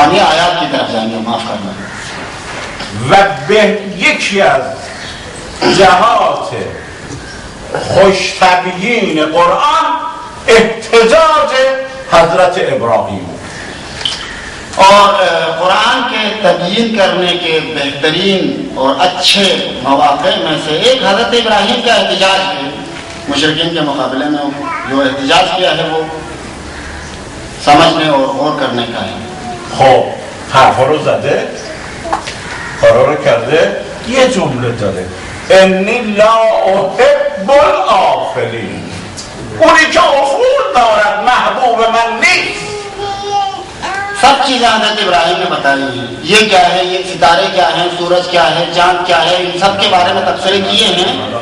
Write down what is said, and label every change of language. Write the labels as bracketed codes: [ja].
[ur] آیات کی طرف جائیں گے, معاف کرنا. [fa] و به یکی از جهات خوش تبیین قرآن احتجاج حضرت ابراهیم, [ur] اور قرآن کے تبیین کرنے کے بہترین اور اچھے مواقع میں سے ایک حضرت ابراہیم کا احتجاج ہے. مشرکین کے مقابلے میں جو احتجاج کیا ہے وہ سمجھنے اور غور کرنے کا ہے. [fa] خوب حرف رو زده, قرار کرده, یه جمله داره, [ar] اینی لا احب الافلین, [fa] اونی که افول دارد محبوب من نیست. [ur] سب چیزیں حضرت ابراہیم نے بتائی ہیں, یہ کیا ہے, یہ ستارے کیا ہیں, سورج کیا ہے, چاند کیا ہے, ان سب کے بارے میں تبصرے کیے ہیں.